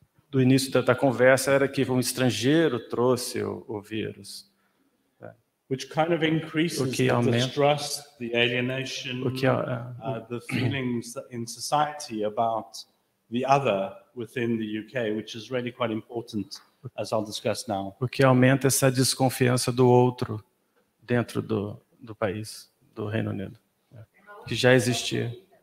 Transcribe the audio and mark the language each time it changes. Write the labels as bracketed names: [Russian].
[Portuguese] Do início da conversa era que um estrangeiro trouxe o vírus. [English] Which kind of increases the distrust, the alienation, the feelings in society about the other within the UK, which is really quite important, as I'll discuss now. [Portuguese] O que aumenta essa desconfiança do outro dentro do país, do Reino Unido, que já existia.